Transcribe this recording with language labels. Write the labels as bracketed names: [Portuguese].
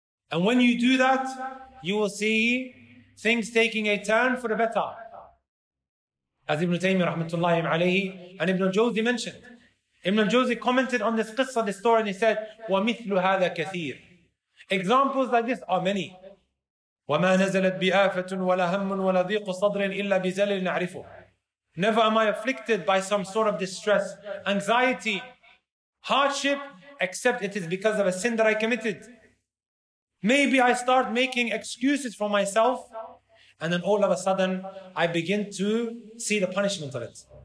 [English] And when you do that, you will see things taking a turn for the better. As Ibn Taymiyyah rahmatullahi alayhi and Ibn al-Jawzi mentioned. Ibn al-Jawzi commented on this qissa, this story, and he said, [Arabic] وَمِثْلُ هَذَا كَثِيرٌ [English] Examples like this are many. [Arabic] وما نزلت بآفة ولا هم ولا ضيق صدر إلا بزلل نعرفه. [English] Never am I afflicted by some sort of distress, anxiety, hardship, except it is because of a sin that I committed. Maybe I start making excuses for myself, and then all of a sudden, I begin to see the punishment of it.